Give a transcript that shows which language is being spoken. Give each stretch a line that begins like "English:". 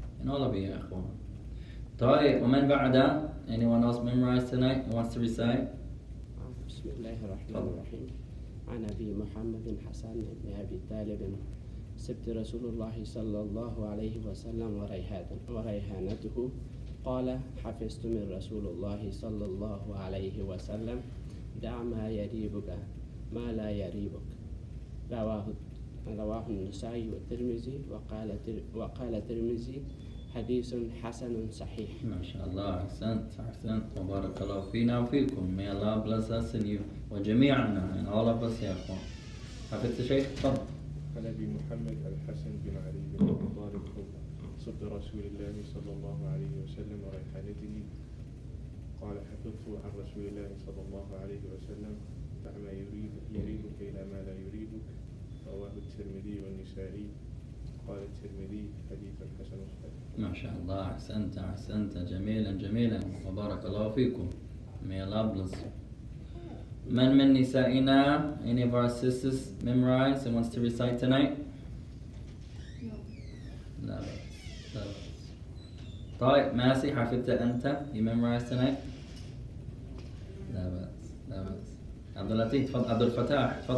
English: And all of you,
Arabic: يا إخوان. طيب ومن بعد?
English: Anyone else memorized tonight? Who wants to recite?
Arabic: بسم الله الرحمن الرحيم. عن أبي محمد حسن بن أبي طالب سبت رسول الله صلى الله عليه وسلم وريحانته. قال حفظت من رسول الله صلى الله عليه وسلم دع ما يريبك ما لا يريبك. رواه النسائي والترمذي. وقال الترمذي حديث حسن صحيح. ما شاء الله. أحسنت. وبارك الله فينا وفيكم.
English: May Allah bless us and you
Arabic: وجميعنا
English: and all of us
Arabic: يا أخوان. حفظت شيء؟ تفضل. قال أبي محمد الحسن بن علي بن مبارك صدر رسول الله صلى الله عليه وسلم ريحانته. قال حفظت عن رسول الله صلى الله عليه وسلم دع ما يريدك إلى ما لا يريدك رواه الترمذي والنسائي قال الترمذي حديث حسن ما شاء الله أحسنت أحسنت جميلا جميلا وبارك الله فيكم
English: May Allah bless you.
Arabic: Man min nisa'ina,
English: any of our sisters memorize and wants to recite tonight? No.
Arabic: Labas. Tariq, Masi, hafidta anta,
English: you memorize tonight?
Arabic: Labas. Labas. Abdul Latif, Abdul Fatah,